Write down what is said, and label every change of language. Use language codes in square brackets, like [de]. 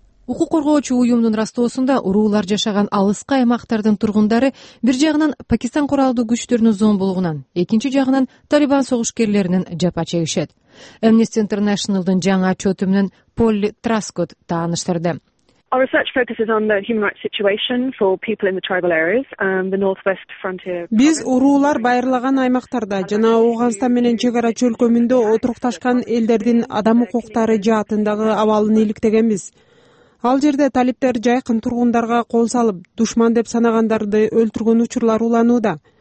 [ky] Укук коргоочу уюмдун ырастоосунда уруулар жашаган алыскы аймактардын тургундары бир жагынан Пакистан куралдуу күчтөрүнүн зомбулугунан, экинчи жагынан Талибан согушкерлеринин жапа чегишет. Amnesty International'ın жаңы отчёту менен Полли Траскот тааныштырды. [en] Our research focuses on the human rights situation for people in the tribal areas, the northwest frontier. [ky] Биз уруулар байырлаган аймактарда жана Ооганстан менен чек ара чөлкөмүндө отурукташкан элдердин адам укуктары жаатындагы абалын иликтегенбиз. Ал жерде талиптер жайкын тургундарга кол салып, душман деп санагандарды өлтүргөн учурлар уланууда.